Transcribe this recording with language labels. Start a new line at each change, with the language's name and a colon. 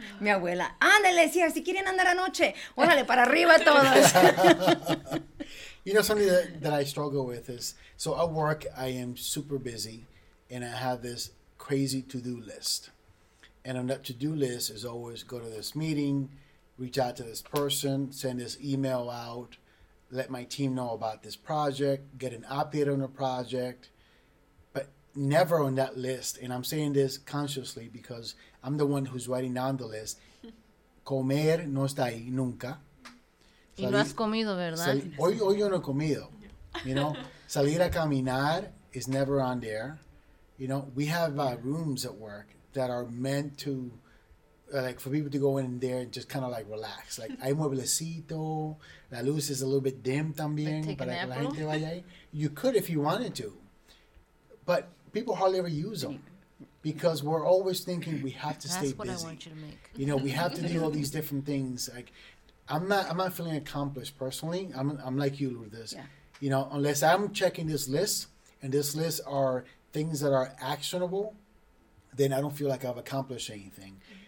Spanish: Mi abuela, ándale, sí, si quieren andar anoche, órale, para arriba todos.
English: You know, something that I struggle with is, so at work, I am super busy, and I have this crazy to-do list. And on that to-do list is always go to this meeting, reach out to this person, send this email out, let my team know about this project, get an update on the project, but never on that list. And I'm saying this consciously because I'm the one who's writing down the list.
Spanish: Comer no está ahí nunca. Y no has comido, ¿verdad? Hoy yo no he comido,
English: you know?
Spanish: Salir a caminar
English: is never on there. You know, we have rooms at work that are meant to, like, for people to go in there and just kind of, like, relax. Like,
Spanish: hay mueblecito, la luz
English: is a little bit dim
Spanish: también.
English: Like, take a nap, bro? You could if you wanted to. But people hardly ever use them because we're always thinking we have to stay busy. That's what I want you to make. You know, we have to do all these different things. Like, I'm not feeling accomplished personally. I'm like you, Lourdes. Yeah. You know, unless I'm checking this list, and this list are things that are actionable, then I don't feel like I've accomplished anything.